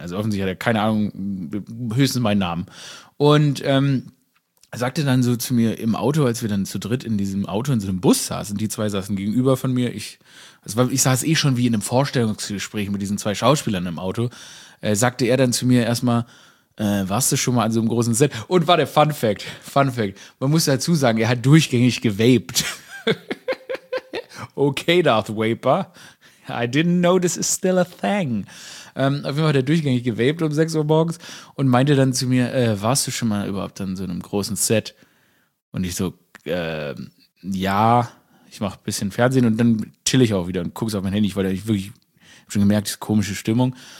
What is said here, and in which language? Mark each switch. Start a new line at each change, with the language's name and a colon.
German: Also offensichtlich hat er keine Ahnung, höchstens meinen Namen. Und sagte dann so zu mir im Auto, als wir dann zu dritt in diesem Auto in so einem Bus saßen, die zwei saßen gegenüber von mir. Ich saß eh schon wie in einem Vorstellungsgespräch mit diesen zwei Schauspielern im Auto. Sagte er dann zu mir erstmal, warst du schon mal an so einem großen Set? Und war der Fun Fact. Man muss dazu sagen, er hat durchgängig gewaped. Okay, Darth Vaper.
English: I didn't know this is still a thing.
German: Auf jeden Fall hat er durchgängig gewaped um 6 Uhr morgens und meinte dann zu mir, warst du schon mal überhaupt an so einem großen Set? Und ich so, ja, ich mach ein bisschen Fernsehen und dann chill ich auch wieder und guck's auf mein Handy, weil ich wirklich schon gemerkt, ist komische Stimmung.